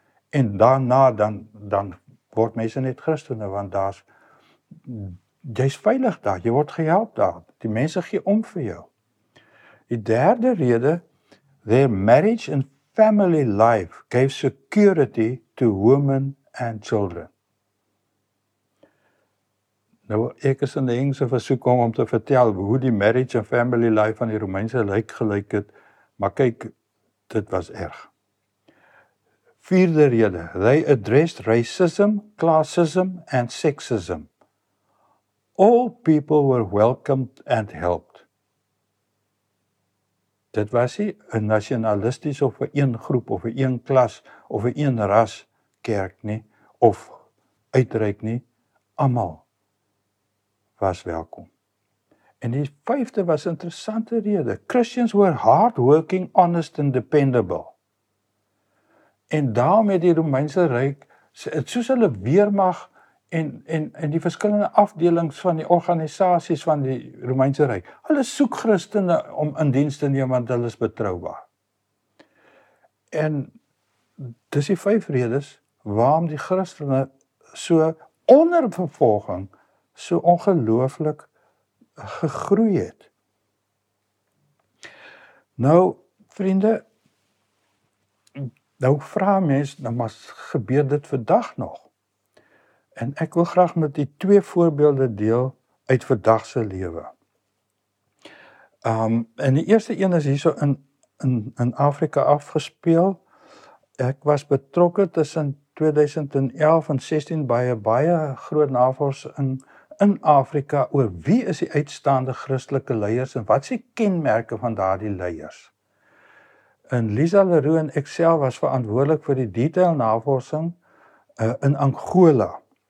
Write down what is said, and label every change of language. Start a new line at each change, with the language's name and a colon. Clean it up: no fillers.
Afrikaans: En daarna dan word mense net Christene, want jy's veilig daar, jy word gehelp daar, die mense gee om vir jou. Die derde rede,
English: their marriage and family life gave security to women and children.
Afrikaans: Nou, ek is in die Engelse versoek om te vertel hoe die
English: marriage and family life
Afrikaans: van die Romeinse Ryk gelyk het, maar kyk, dit was erg. Vierde rede,
English: they addressed racism, classism and sexism. All people were welcomed and helped.
Afrikaans: Dit was nie 'n nationalistische of 'n groep of 'n klas of 'n ras kerk nie, of uitreik nie, almal was welkom. En die vijfde was interessante rede.
English: Christians were hardworking, honest and dependable.
Afrikaans: En daarmee die Romeinse Ryk, het soos hulle weermag en die verskillende afdelings van die organisaties van die Romeinse Ryk, hulle soek Christene om in diens te neem, want hulle is betroubaar. En dis die vijf redes waarom die Christene so onder vervolging so ongelooflik gegroei het. Nou, vriende, nou vraag mens, nou maar gebeur dit vandag nog? En ek wil graag met die twee voorbeelde deel uit vandagse lewe. En die eerste een is hier so in Afrika afgespeel. Ek was betrokke tussen 2011 en 16 by 'n baie groot navorsing in Afrika oor wie is die uitstaande Christelike leiers en wat is die kenmerke van daardie leiers. En Lisa Leroux en ek self was verantwoordelik vir die detail navorsing in Angola.